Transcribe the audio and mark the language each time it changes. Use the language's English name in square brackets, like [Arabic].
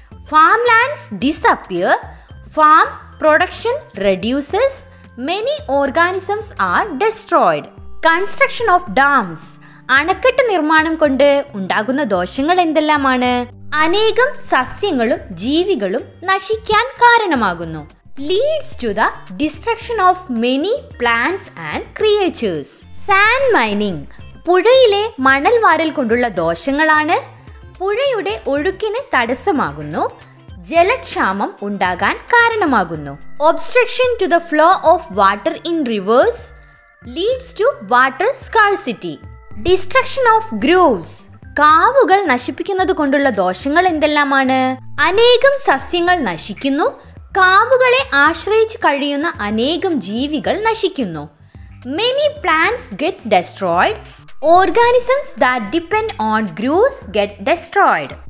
[English] Farm lands disappear, farm production reduces, many organisms are destroyed. Construction of dams, [Malayalam] അണക്കെട്ട് നിർമ്മാണം കൊണ്ട് ഉണ്ടാകുന്ന ദോഷങ്ങൾ എന്തെല്ലാമാണ്? അനേകം സസ്യങ്ങളും ജീവികളും നശിക്കാൻ കാരണമാകുന്നു. [English] Leads to the destruction of many plants and creatures. [Malayalam] Sand mining, പുഴയിലെ മണൽ വാരൽ കൊണ്ടുള്ള ദോഷങ്ങളാണ്. പുഴയുടെ ഒഴുക്കിന് തടസ്സമാകുന്നു, ജലക്ഷാമം ഉണ്ടാകാൻ കാരണമാകുന്നു. [English] Obstruction to the flow of water in rivers leads to water scarcity. Destruction of groves, [Malayalam] കാവുകൾ നശിപ്പിക്കുന്നത് കൊണ്ടുള്ള ദോഷങ്ങൾ എന്തെല്ലാമാണ്? അനേകം സസ്യങ്ങൾ നശിക്കുന്നു, കാവുകളെ ആശ്രയിച്ച് കഴിയുന്ന അനേകം ജീവികൾ നശിക്കുന്നു. [English] Many plants get destroyed, organisms that depend on grooves get destroyed.